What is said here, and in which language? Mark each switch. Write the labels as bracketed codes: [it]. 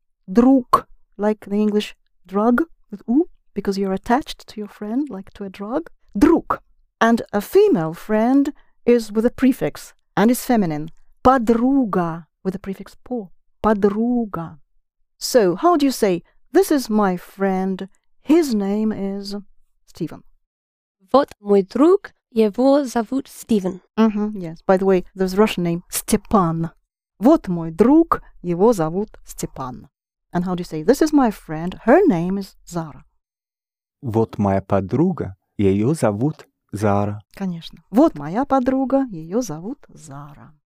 [en] Друг, like the English drug, with у, because you're attached to your friend, like to a drug. [ru] Друг. [en] And a female friend is with a prefix and is feminine. Подруга, with the prefix по. Подруга. So, how do you say, this is my friend, his name is Stephen? [ru] Вот мой друг, его зовут Стивен. [en] Mm-hmm, yes, by the way, there's a Russian name, Степан. [ru] Вот мой друг, его зовут Степан. [en] And how do you say, this is my friend, her name is Zara? [ru] Вот моя подруга, ее зовут Зара. Конечно. Вот моя подруга, ее зовут Зара.